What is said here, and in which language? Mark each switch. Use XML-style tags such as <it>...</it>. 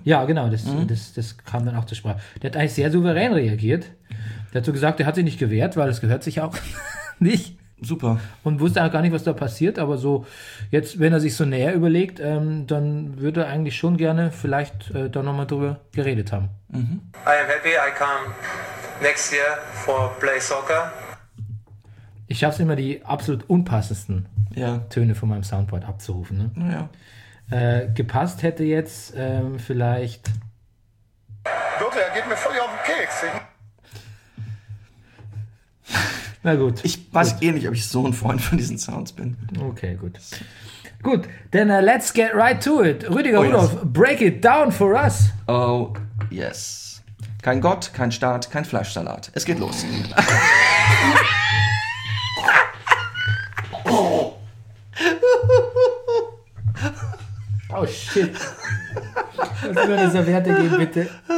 <de>Ja, genau, das kam dann auch zur Sprache. Der hat eigentlich sehr souverän reagiert. Der hat so gesagt, er hat sich nicht gewehrt, weil das gehört sich auch nicht. Super. Und wusste auch gar nicht, was da passiert. Aber so jetzt, wenn er sich so näher überlegt, dann würde er eigentlich schon gerne vielleicht da nochmal drüber geredet haben.</de> <en>Mhm. I am happy I come... Next year for play soccer.</en> <de>Ich schaffe es immer, die absolut unpassendsten Töne von meinem Soundboard abzurufen. Ne? Ja. Gepasst hätte jetzt vielleicht... Wirklich, er geht mir völlig auf den Keks. Na gut. Ich weiß eh nicht, ob ich so ein Freund von diesen Sounds bin. Okay, gut. Gut, dann</de> <en>let's get right to it. Rüdiger Rudolf, break it down for us. Oh, yes.</en> <de>Kein Gott, kein Staat, kein Fleischsalat. Es geht los.</de> <en>Oh shit.</en> <de>Kannst du mir eine Serviette geben, bitte?</de>